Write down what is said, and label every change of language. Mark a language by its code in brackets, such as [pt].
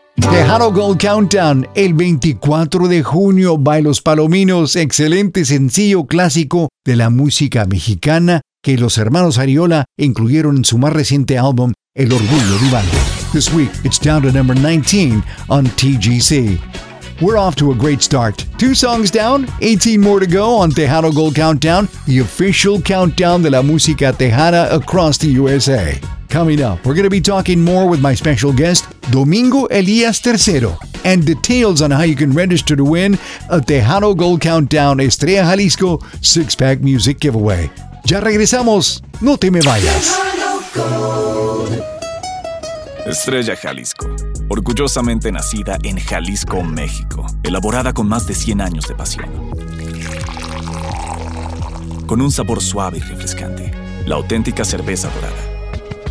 [es] Tejano Gold Countdown, el 24 de junio, Bailos Palominos, excelente sencillo clásico de la música mexicana que los hermanos Ariola incluyeron en su más reciente álbum, El Orgullo Rival. [en] This week, it's down to number 19 on TGC. We're off to a great start. Two songs down, 18 more to go on Tejano Gold Countdown, the official countdown [es] de la música tejana [en] across the USA. Coming up, we're going to be talking more with my special guest, Domingo Elías III, and details on how you can register to win a Tejano Gold Countdown Estrella Jalisco six-pack music giveaway. [es] Ya regresamos, no te me vayas. Estrella Jalisco, orgullosamente nacida en Jalisco, México, elaborada con más de 100 años de pasión. Con un sabor suave y refrescante, la auténtica cerveza dorada.